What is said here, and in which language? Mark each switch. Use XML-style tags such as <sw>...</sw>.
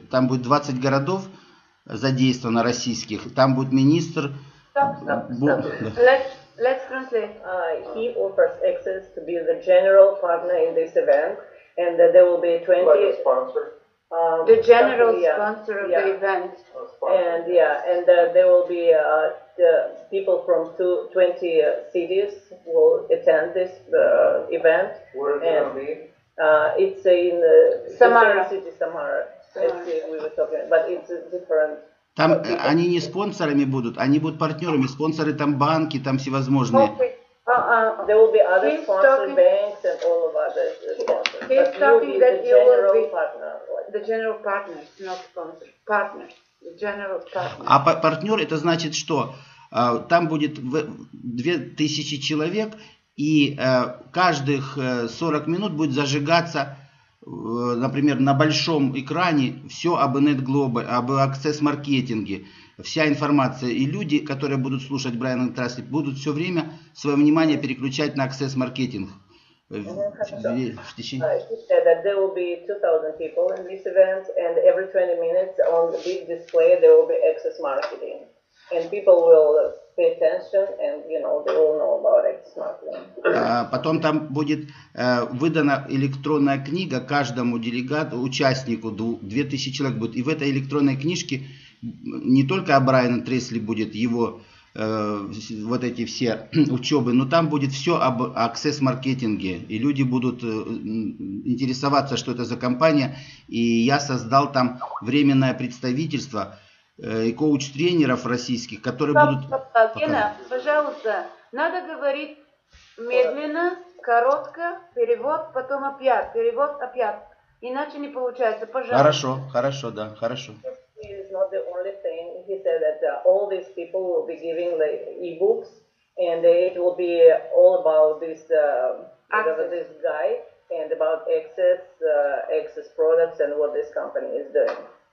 <ru>Там будет 20 городов задействовано российских. Там будет министр...</ru> <en>Let's translate. He offers access to be the general partner in this event, and there will be 20... Like a sponsor? The general sponsor of the event. And there will be the people from 20 cities will attend this event. Where is it going to be? It's in the Samara. City, Samara. Samara. As we were talking, but it's a different...</en> <ru>Там они не спонсорами будут, они будут партнерами. Спонсоры там банки, там всевозможные.</ru> <en>There will be other sponsors, banks and all of others. He's talking that you will be the general partner, not sponsor. Partner. The general partner.</en> <ru>А партнер это значит что? Там будет 2000 человек, и каждых 40 минут будет зажигаться. Например, на большом экране все об Net Global, об Access Marketing, вся информация. И люди, которые будут слушать Брайана Трасли, будут все время свое внимание переключать на Access Marketing.</ru> <en>There will be 2,000 people in this event, and every 20 minutes on the big display there will be Access Marketing. And people will pay attention and, you know, they will know about it.</en> <ru>Потом там будет выдана электронная книга каждому делегату, участнику, 2000 человек будет. И в этой электронной книжке не только о Брайане Трейсли будет, его вот эти все учебы, но там будет все об аксесс-маркетинге, и люди будут интересоваться, что это за компания, и я создал там временное представительство и коуч-тренеров российских, которые будут... Гена, пожалуйста, надо говорить медленно, коротко, перевод, потом опять, перевод, опять. Иначе не получается, пожалуйста. Хорошо, хорошо, да, хорошо.</ru> <en>Is not the only thing. He said that all these people will be giving the e-books, and it will be all about this whatever this guy and about access products and what this company is doing.</en>